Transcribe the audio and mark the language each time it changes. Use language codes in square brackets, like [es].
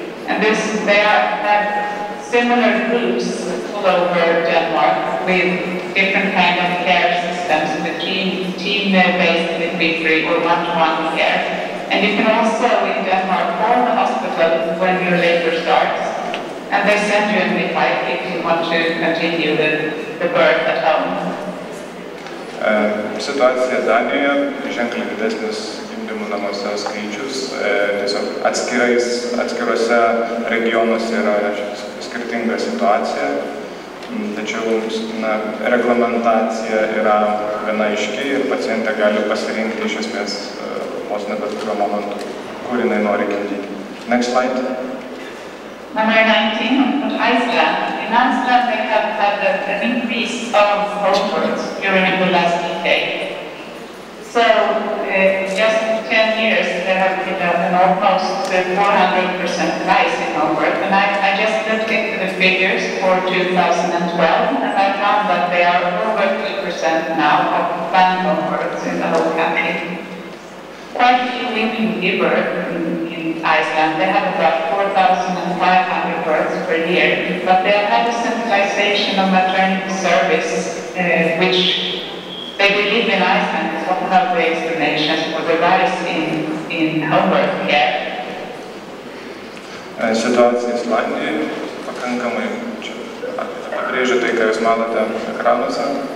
[en] And this, they have similar groups all over Denmark with different kind of care systems, the team-based midwifery or one-to-one care. And you can also in Denmark call the hospital when your labor starts, and they send you a midwife if you want to continue the birth at home. [lt] Situacija Danijoje, ženkliai didesnis gimdymų namuose skaičius, tiesiog atskiruose regionuose yra skirtinga situacija, tačiau reglamentacija yra viena aiški ir pacientė gali pasirinkti iš esmės vos ne bet kurio momentu, kur jinai nori gimdyti. [en] Next slide. Number 19, on Iceland. In Iceland, they have had an increase of home births during the last decade. So, just in 10 years, there have been an almost 400% rise in home births. And I just looked into the figures for 2012, and I found that they are over 2% now of planned home births in the whole country. Quite a few women give birth in Iceland. They have about 4,500 births per year, but they have had a centralization of maternity service, which they believe in Iceland is one of the explanations for the rise in home birth care. [lt] Situacija Islandijoje pakankamai pabrėžia tai, ką jūs matote ekranuose.